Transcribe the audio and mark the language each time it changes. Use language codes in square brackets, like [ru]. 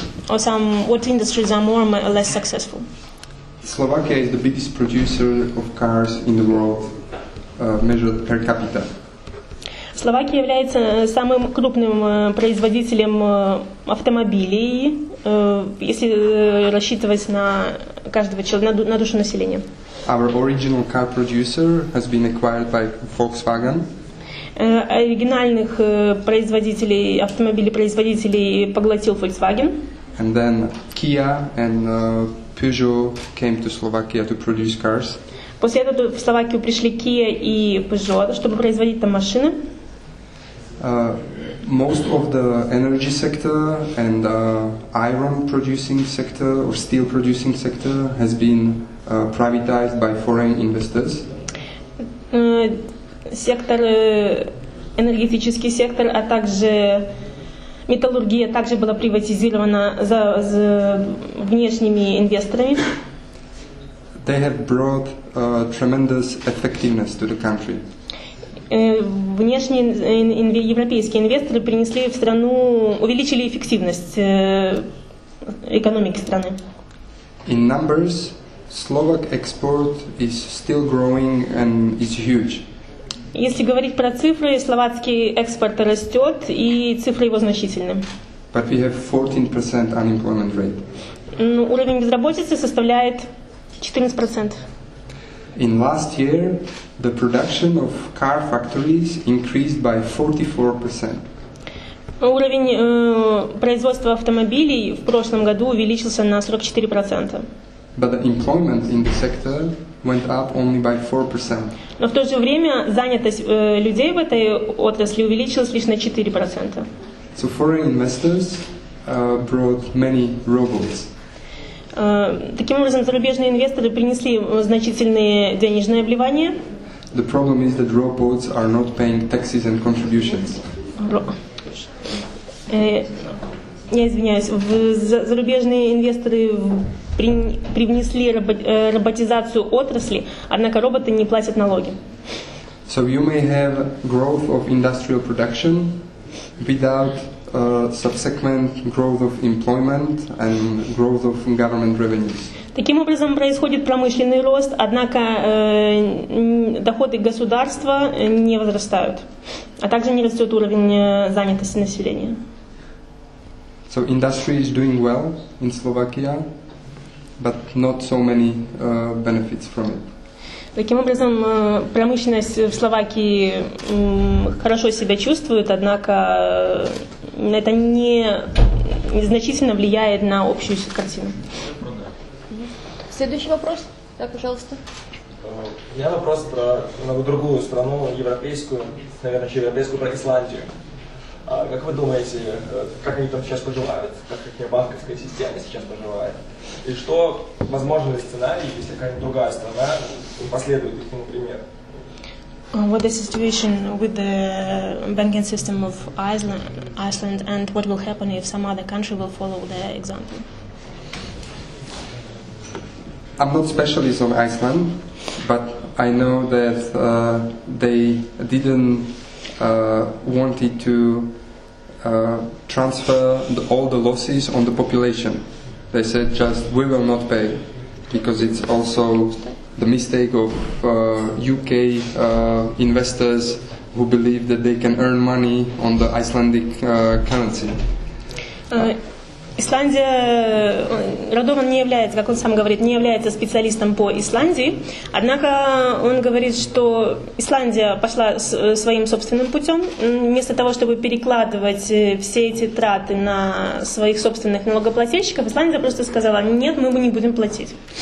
[en] Or some, what industries are more or less successful? Slovakia is the biggest producer of cars in the world, measured per capita. [ru] Словакия является самым крупным производителем автомобилей, если рассчитывать на каждого человека, на душу населения. [en] Our original car producer has been acquired by Volkswagen. [ru] Оригинальных производителей, автомобилей-производителей поглотил Volkswagen. [en] And then Kia and Peugeot came to Slovakia to produce cars. [ru] После этого в Словакию пришли Kia и Peugeot, чтобы производить там машины. [en] Most of the energy sector and iron producing sector or steel producing sector has been privatized by foreign investors. [ru] Сектор энергетический сектор, а также металлургия также была приватизирована за внешними инвесторами. [en] They have brought tremendous effectiveness to the country. [ru] Внешние европейские инвесторы принесли в страну, увеличили эффективность экономики страны. [en] In numbers, Slovak export is still growing and is huge. [ru] Если говорить про цифры, словацкий экспорт растет, и цифры его значительны. [en] But we have 14% unemployment rate. [ru] Уровень безработицы составляет 14%. [en] In last year, the production of car factories increased by 44%. [ru] Уровень производства автомобилей в прошлом году увеличился на 44%. [en] But the employment in the sector went up only by 4%. [ru] Но в то же время занятость людей в этой отрасли увеличилась лишь на 4%. [en] So foreign investors brought many rubles. [ru] Таким образом, зарубежные инвесторы принесли значительные денежные обливания. [en] The problem is that robots are not paying taxes and contributions. [ru] Я извиняюсь, зарубежные инвесторы привнесли роботизацию отрасли, однако роботы не платят налоги. [en] So you may have growth of industrial production without subsequent growth of employment and growth of government revenues. [ru] Таким образом происходит промышленный рост, однако доходы государства не возрастают, а также не растет уровень занятости населения. [en] So industry is doing well in Slovakia, but not so many benefits from it. [ru] Таким образом, промышленность в Словакии хорошо себя чувствует, однако это не значительно влияет на общую картину. Следующий вопрос. Да, пожалуйста. У меня вопрос про немного другую страну, европейскую, наверное, еще европейскую, про Исландию. Как вы думаете, как они там сейчас поживают? Как их банковская система сейчас поживает? И что возможно ли сценарий, если какая-нибудь другая страна последует их, например? [en] What is the situation with the banking system of Iceland, and what will happen if some other country will follow the example? I'm not specialist on Iceland, but I know that they didn't wanted to transfer all the losses on the population. They said just we will not pay, because it's also the mistake of UK investors who believe that they can earn money on the Icelandic currency. [ru] Исландия, Радован не является, как он сам говорит, не является специалистом по Исландии, однако он говорит, что Исландия пошла своим собственным путем, вместо того, чтобы перекладывать все эти траты на своих собственных налогоплательщиков, Исландия просто сказала, нет, мы не будем платить.